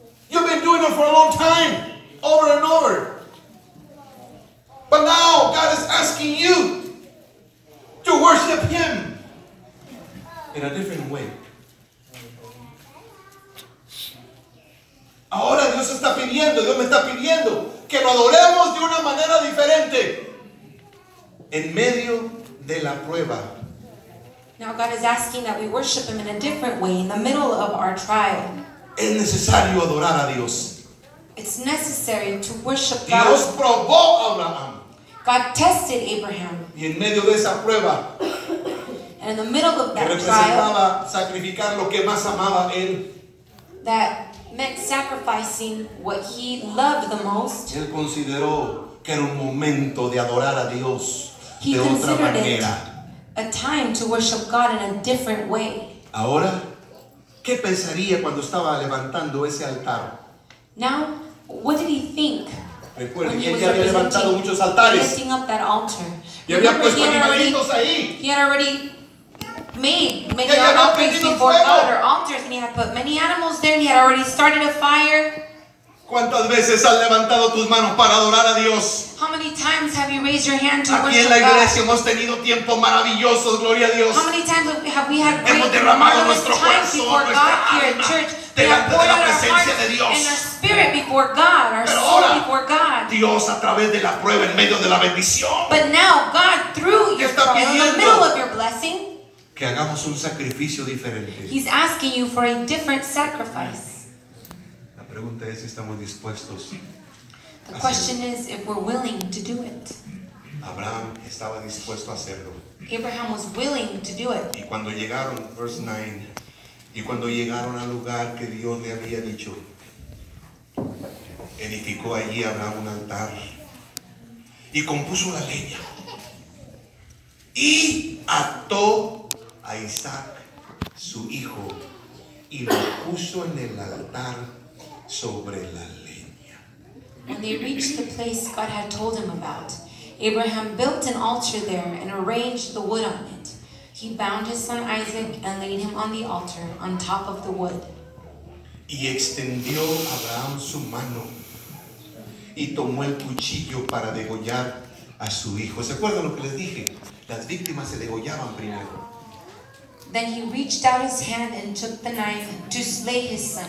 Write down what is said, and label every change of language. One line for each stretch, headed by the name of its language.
English: You've been doing it for a long time, over and over. But now God is asking you to worship Him in a different way.
Spanish: Ahora Dios está pidiendo, Dios me está pidiendo que lo adoremos de una manera diferente. En medio de la prueba,
English: Now God is asking that we worship him in a different way in the middle of our trial.
Spanish: Es necesario adorar a Dios.
English: It's necessary to worship
Spanish: Dios
English: God.
Spanish: Dios probó a Abraham.
English: God tested Abraham.
Spanish: Y en medio de esa prueba,
English: and in the middle of that
Spanish: representaba
English: trial,
Spanish: sacrificar lo que más amaba él.
English: That meant sacrificing what he loved the most.
Spanish: Él consideró que era un momento de adorar a Dios
English: he
Spanish: de otra manera.
English: A time to worship God in a different way.
Spanish: Ahora, ¿qué pensaría cuando estaba levantando ese altar?
English: Now, what did he think?
Spanish: Recuerde que él ya había levantado muchos altares.
English: Lifting up that altar.
Spanish: Y había puesto animalitos ahí.
English: He had already made many offerings before God or altars, and he had put many animals there, and he had already started a fire.
Spanish: ¿Cuántas veces has levantado tus manos para adorar a Dios?
English: How many times have you raised your hand to worship God?
Spanish: Aquí en la iglesia hemos tenido tiempos maravillosos, gloria a Dios.
English: How many times have we had
Spanish: hemos derramado nuestro corazón, nuestra alma, delante de la presencia de Dios.
English: And our spirit before God, our
Spanish: Pero
English: soul
Spanish: ahora,
English: before God.
Spanish: Dios a través de la prueba en medio de la bendición.
English: But now, God, through your trial, in the middle of your blessing,
Spanish: que hagamos un sacrificio diferente.
English: He's asking you for a different sacrifice.
Spanish: La pregunta es si estamos dispuestos.
English: The question is if we're willing to do it.
Spanish: Abraham estaba dispuesto a hacerlo.
English: Abraham was willing to do it.
Spanish: Y cuando llegaron, verse 9, y cuando llegaron al lugar que Dios le había dicho, edificó allí Abraham un altar y compuso la leña y ató a Isaac, su hijo, y lo puso en el altar sobre la leña.
English: When they reached the place God had told him about, Abraham built an altar there and arranged the wood on it. He bound his son Isaac and laid him on the altar on top of the wood.
Spanish: Y extendió Abraham su mano y tomó el cuchillo para degollar a su hijo. ¿Se acuerdan lo que les dije? Las víctimas se degollaban primero.
English: Then he reached out his hand and took the knife to slay his son.